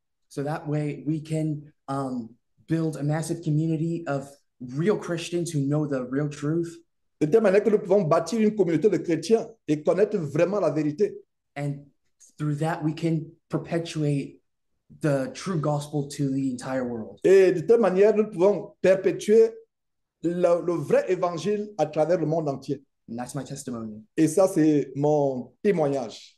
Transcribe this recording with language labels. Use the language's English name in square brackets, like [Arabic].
[English] So that way we can build a massive community of real Christians who know the real truth. [French] De telle manière que nous pouvons bâtir une communauté de chrétiens et connaître vraiment la vérité. [English] And through that we can perpetuate the true gospel to the entire world. [French] Et de telle manière nous pouvons perpétuer le vrai évangile à travers le monde entier. [English] And that's my testimony. [French] Et ça, c'est mon témoignage.